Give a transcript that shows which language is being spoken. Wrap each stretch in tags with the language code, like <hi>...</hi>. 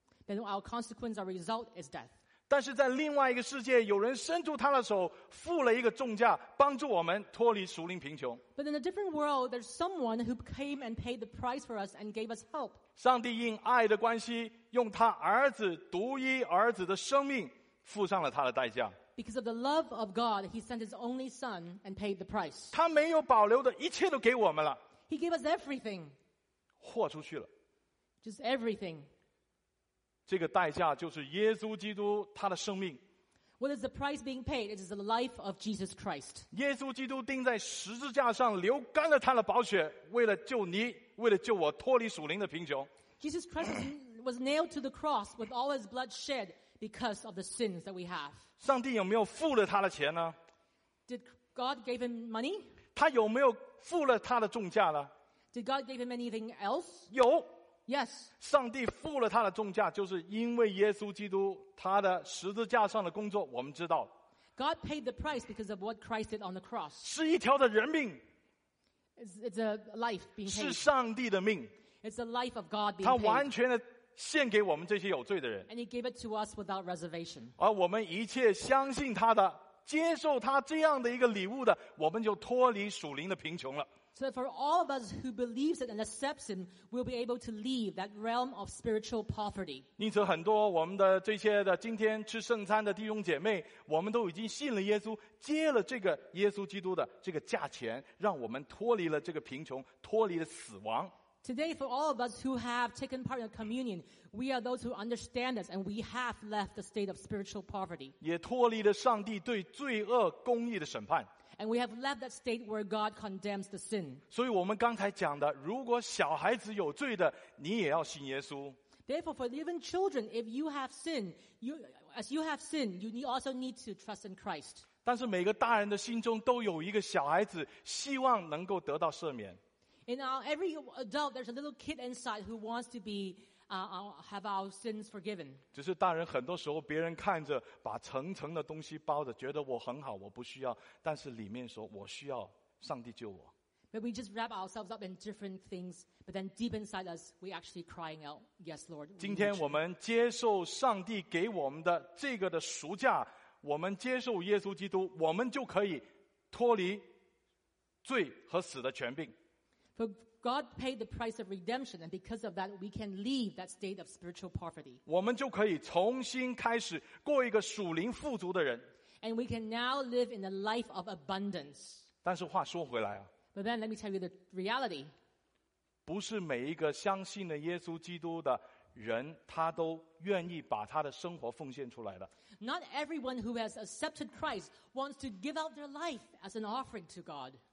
<en>then our consequence, our result is death.</en> <zh>但是在另外一个世界有人伸出他的手付了一个重价帮助我们脱离属灵贫穷</zh> <en>but in a different world, there's someone who came and paid the price for us and gave us help.</en> <zh>上帝因爱的关系用他儿子独一儿子的生命付上了他的代价</zh> <en>Because of the love of God, he sent his only son and paid the price.</en> <zh>他没有保留的一切都给我们了</zh> <en>He gave us everything.</en> <zh>豁出去了</zh> <en>Just everything.</en> <zh>这个代价就是耶稣基督他的生命</zh> <en>What is the price being paid? It is the life of Jesus Christ.</en> <zh>耶稣基督钉在十字架上流干了他的宝血为了救你为了救我脱离属灵的贫穷</zh> <en>Jesus Christ was nailed to the cross with all his blood shed. Because of the sins that we have.</en> <zh>上帝有没有付了他的钱呢?</zh> <en>Did God give him money?</en> <zh>他有没有付了他的重价呢?</zh> <en>Did God give him anything else?</en> <zh>有。</zh> <en>Yes.</en> <zh>上帝付了他的重价就是因为耶稣基督他的十字架上的工作我们知道。</zh> <en>God paid the price because of what Christ did on the cross.</en> <zh>是一条的人命。</zh> <en>It's a life being paid.</en> <zh>是上帝的命。</zh> <en>It's the life of God being paid.</en> <zh>他完全的献给我们这些有罪的人</zh> <en>and he gave it to us without reservation.</en> <zh>而我们一切相信他的接受他这样的一个礼物的我们就脱离属灵的贫穷了</zh> <en>so that for all of us who believes it and accepts him we'll be able to leave that realm of spiritual poverty</en> <zh>因此很多我们的这些的今天吃圣餐的弟兄姐妹我们都已经信了耶稣接了这个耶稣基督的这个价钱让我们脱离了这个贫穷脱离了死亡</zh> <en>Today, for all of us who have taken part in communion, we are those who understand this and we have left the state of spiritual poverty.</en> <zh>也脱离了上帝对罪恶公义的审判。</zh> <en>And we have left that state where God condemns the sin.</en> <zh>所以我们刚才讲的，如果小孩子有罪的，你也要信耶稣。</zh> <en>Therefore, for even children, if you have sin, you also need to trust in Christ.</en> <zh>但是每个大人的心中都有一个小孩子，希望能够得到赦免。</zh> <en>In our every adult, there's a little kid inside who wants to be, have our sins forgiven.</en> <zh>只是大人很多时候，别人看着把层层的东西包着，觉得我很好，我不需要。但是里面说，我需要上帝救我。</zh> <en>But we just wrap ourselves up in different things, but then deep inside us, we actually crying out, "Yes, Lord."</en> <zh>今天我们接受上帝给我们的这个的赎价，我们接受耶稣基督，我们就可以脱离罪和死的权柄。</zh> <en>But God paid the price of redemption, and because of that, we can leave that state of spiritual poverty.</en> <zh>我们就可以重新开始过一个属灵富足的人。</zh> <en>And we can now live in a life of abundance.</en> <zh>但是话说回来啊。</zh> <en>But then let me tell you the reality.</en> <zh>不是每一个相信了耶稣基督的人，他都愿意把他的生活奉献出来的。</zh> <en>Not everyone who has accepted Christ wants to give out their life as an offering to God.</en>